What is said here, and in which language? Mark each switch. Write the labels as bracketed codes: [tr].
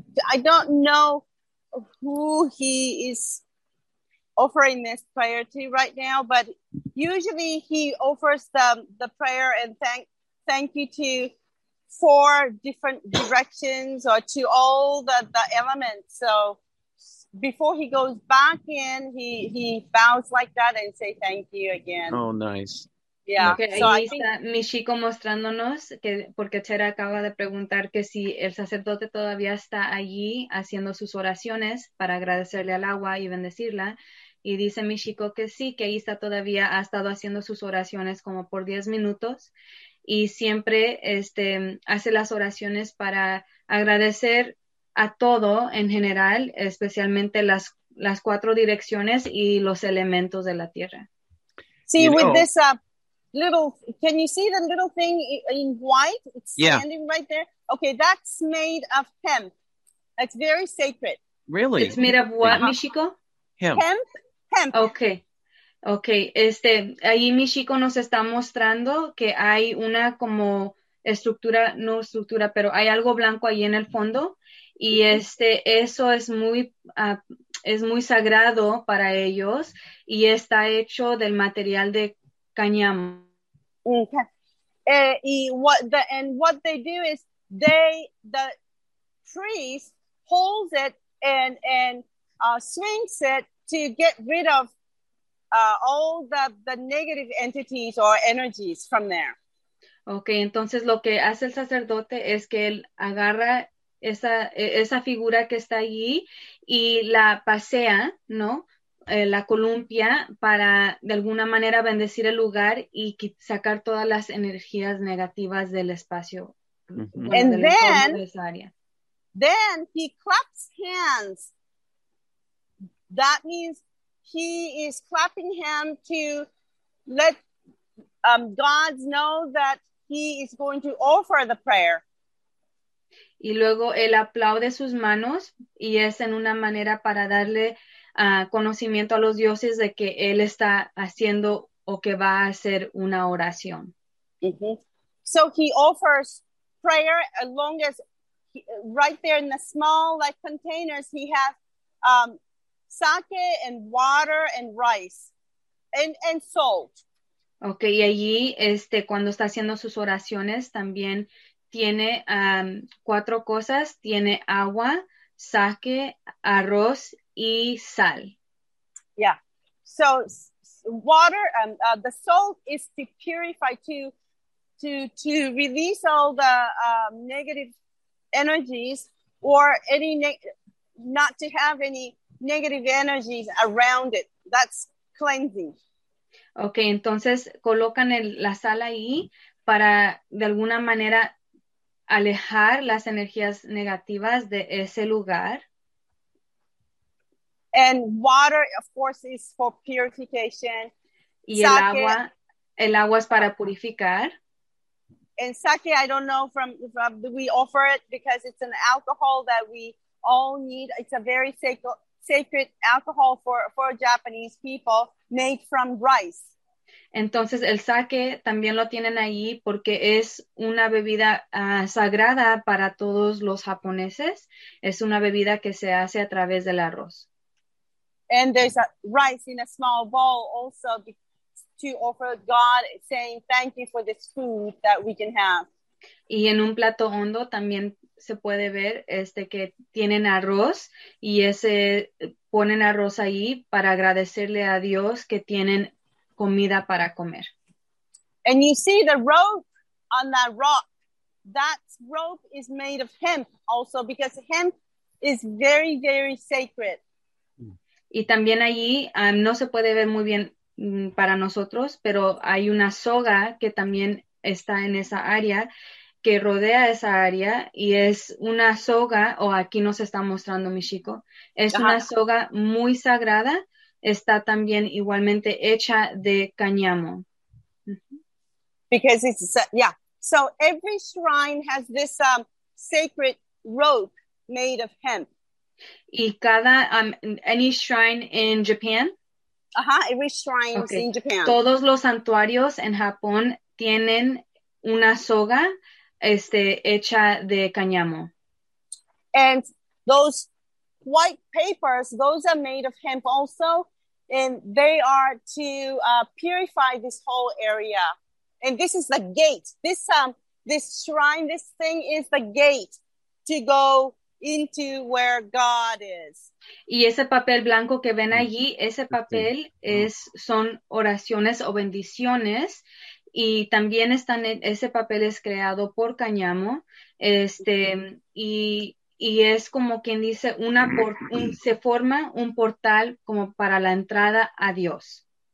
[en] I don't know who he is offering this prayer to right now, but usually he offers the prayer and thank you to four different directions or to all the elements. So before he goes back in, he bows like that and say thank you again. Oh, nice. Yeah. [es] Okay, ahí está Michiko mostrándonos, porque Tera acaba de preguntar que si el sacerdote todavía está allí haciendo sus oraciones para agradecerle al agua y bendecirla. Y dice Michiko que sí, que ahí está todavía, ha estado haciendo sus oraciones como por 10 minutos. Y siempre hace las oraciones para agradecer a todo en general, especialmente las cuatro direcciones y los elementos de la tierra. Sí, [en] with this up. Little, can you see the little thing in white? It's standing right there. Okay, that's made of hemp. That's very sacred. Really? It's made of what, Michiko? Hemp. Hemp. Okay. Okay. [es] Ahí Michiko nos está mostrando que hay una como estructura, no estructura, pero hay algo blanco ahí en el fondo. Y eso es muy sagrado para ellos. Y está hecho del material de cañamo. [en] Okay. What they do is the priest holds it and swings it to get rid of all the negative entities or energies from there. [es] Okay, entonces lo que hace el sacerdote es que él agarra esa figura que está allí y la pasea, ¿no? La columpia para de alguna manera bendecir el lugar y sacar todas las energías negativas del espacio. [en] Mm-hmm. And then he claps hands. That means he is clapping him to let God know that he is going to offer the prayer. [es] Y luego él aplaude sus manos y es en una manera para darle conocimiento a los dioses de que él está haciendo o que va a hacer una oración. Mm-hmm. [en] So he offers prayer as long as right there in the small like containers he has sake and water and rice and salt. [es] Okay, y allí cuando está haciendo sus oraciones también tiene cuatro cosas, tiene agua, sake, arroz y sal. [en] Yeah. So water the salt is to purify to release all the negative energies or any not to have any negative energies around it. That's cleansing. [es] Okay, entonces colocan la sal ahí para de alguna manera alejar las energías negativas de ese lugar. [en] And water, of course, is for purification. [es] Y el agua, el agua es para purificar. [en] And sake, I don't know, from we offer it because it's an alcohol that we all need. It's a very sacred alcohol for Japanese people, made from rice. [es] Entonces, el sake también lo tienen ahí porque es una bebida sagrada para todos los japoneses. Es una bebida que se hace a través del arroz. [en] And there's a rice in a small bowl also to offer God, saying thank you for this food that we can have. [es] Y en un plato hondo también se puede ver este que tienen arroz y ese ponen arroz ahí para agradecerle a Dios que tienen comida para comer. [en] And you see the rope on that rock. That rope is made of hemp also, because hemp is very, very sacred. [es] Y también allí no se puede ver muy bien para nosotros, pero hay una soga que también está en esa área, que rodea esa área, y es una soga, aquí nos está mostrando Michiko, es una soga muy sagrada, está también igualmente hecha de cañamo. [en] Because it's, so every shrine has this sacred rope made of hemp. [es] Y cada, [en] any shrine in Japan? Every shrine in Japan. [es] Todos los santuarios en Japón tienen una soga hecha de cañamo. [en] And those white papers, those are made of hemp also, and they are to purify this whole area. And this is the gate. This this shrine, this thing is the gate to go into where God is. [es] Y ese papel blanco que ven allí, ese papel son oraciones o bendiciones, y también están ese papel es creado por cañamo, y es como quien dice se forma un portal como para la entrada a Dios.